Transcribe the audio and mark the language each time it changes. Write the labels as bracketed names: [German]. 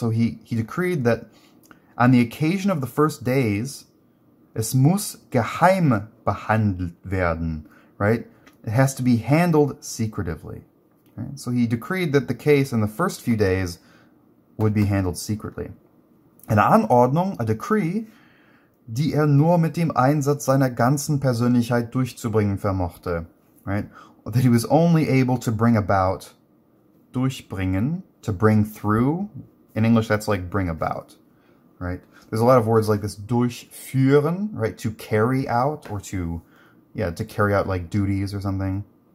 [English] So he decreed that on the occasion of the first days, [German] es muss geheim behandelt werden, [English] right? It has to be handled secretively. Right? So he decreed that the case in the first few days would be handled secretly. [German] Eine Anordnung, [English] a decree, [German] die nur mit dem Einsatz seiner ganzen Persönlichkeit durchzubringen vermochte. [English] Right? That he was only able to bring about, durchbringen, to bring through. In English, that's like bring about. Right? There's a lot of words like this, durchführen, right? To carry out or to carry out like duties or something.